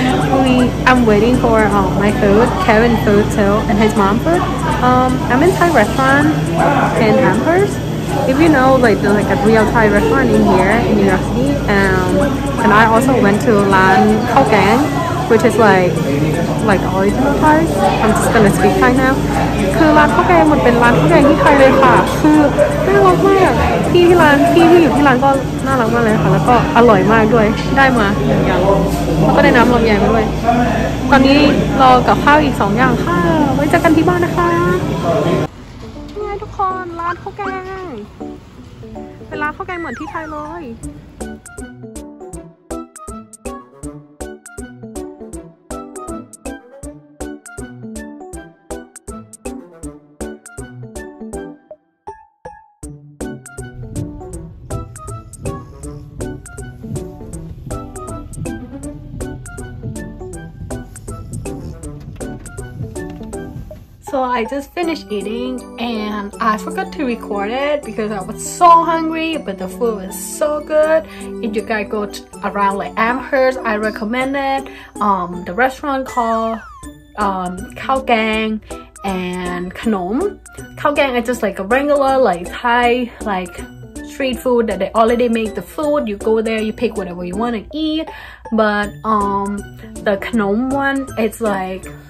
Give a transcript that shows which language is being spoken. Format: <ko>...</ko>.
<en>I'm waiting for my food, Kevin's food too, and his mom food. I'm in Thai restaurant in Amherst. If you know, like a real Thai restaurant in here in New York City. And I also went to Lan Khao Gang, which is like original Thai. I'm just gonna speak Thai now.</en> <th>คือร้านข้าวแกงมันเป็นร้านข้าวแกงที่ไทยเลยค่ะคือน่ารักมากพี่อยู่ที่ร้านก็น่ารักมากเลยค่ะแล้วก็อร่อยมากด้วยได้มาหนึ่งอย่างแล้วก็ได้น้ำลำไยมาด้วยตอนนี้รอกับข้าวอีก2อย่างค่ะไว้เจอกันที่บ้านนะคะ ไงทุกคนร้านข้าวแกงเป็นร้านข้าวแกงเหมือนที่ไทยเลย</th> <en>So I just finished eating and I forgot to record it because I was so hungry, but the food was so good. If you guys go around like Amherst, I recommend it. The restaurant called Khao Gang and Khanom. Khao Gang is just like a regular like Thai like street food that they already make the food. You go there, you pick whatever you want to eat. But the Khanom one, it's like...</en>